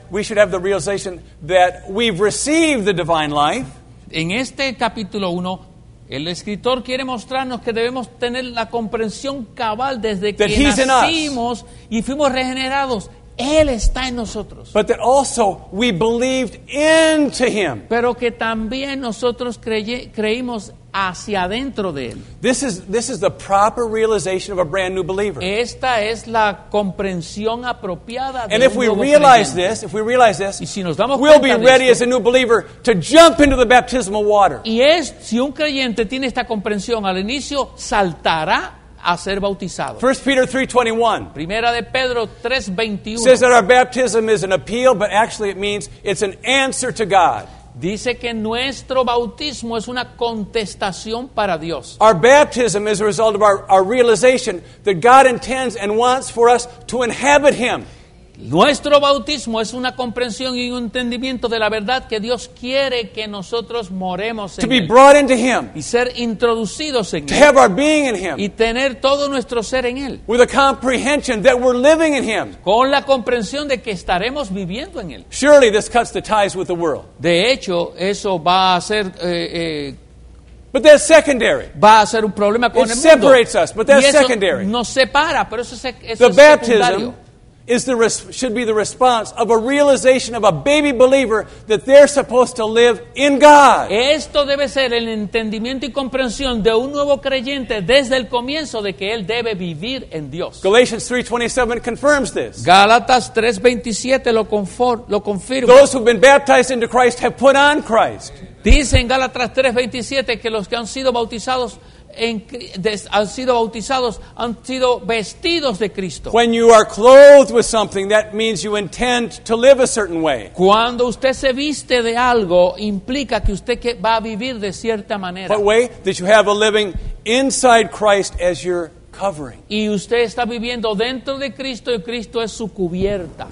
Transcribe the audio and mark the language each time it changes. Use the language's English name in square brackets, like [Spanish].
[English] we should have the realization that we've received the divine life. [Spanish] En este capítulo 1, el escritor quiere mostrarnos que debemos tener la comprensión cabal desde que nacimos y fuimos regenerados. Él está en nosotros. [English] But that also we believed into him. [Spanish] Pero que también nosotros creímos hacia adentro de él. [English] This is the proper realization of a brand new believer. [Spanish] Esta es la comprensión apropiada de [English] And if [Spanish] un [English] we [Spanish] nuevo [English] realize [Spanish] creyente. [English] This, if we realize this, [Spanish] y si nos damos [English] we'll be ready [Spanish] esto, [English] as a new believer to jump into the baptismal water. [Spanish] Y es si un creyente tiene esta comprensión al inicio saltará a ser bautizado. [English] 1 Peter 3:21. [Spanish] Primera de Pedro 3:21. [English] Says that our baptism is an appeal, but actually it means it's an answer to God. [Spanish] Dice que nuestro bautismo es una contestación para Dios. [English] Our baptism is a result of our realization that God intends and wants for us to inhabit him. [Spanish] Nuestro bautismo es una comprensión y un entendimiento de la verdad que Dios quiere que nosotros moremos en [English] to [Spanish] él. [English] Be brought into him. [Spanish] Y ser introducidos en [English] to [Spanish] él. [English] Have our being in him. [Spanish] Y tener todo nuestro ser en él. [English] With a comprehension that we're living in him. [Spanish] Con la comprensión de que estaremos viviendo en él. [English] Surely this cuts the ties with the world. [Spanish] De hecho, eso va a ser [English] But that's secondary. [Spanish] Va a ser un problema con [English] it [Spanish] el mundo. [English] Separates us, but that's [Spanish] y eso [English] secondary. [Spanish] Nos separa, pero eso es secundario. [English] The baptism should be the response of a realization of a baby believer that they're supposed to live in God. [Spanish] Esto debe ser el entendimiento y comprensión de un nuevo creyente desde el comienzo de que él debe vivir en Dios. [English] Galatians 3:27 confirms this. [Spanish] Gálatas 3:27 lo confirma. [English] Those who've been baptized into Christ have put on Christ. [Spanish] Dice en Gálatas 3:27 que los que han sido bautizados han sido bautizados, han sido vestidos de Cristo. [English] When you are clothed with something, that means you intend to live a certain way. [Spanish] Cuando usted se viste de algo, implica que usted va a vivir de cierta manera. [English] What way? That you have a living inside Christ as your covering. [Spanish] Y usted está viviendo dentro de Cristo y Cristo es su cubierta.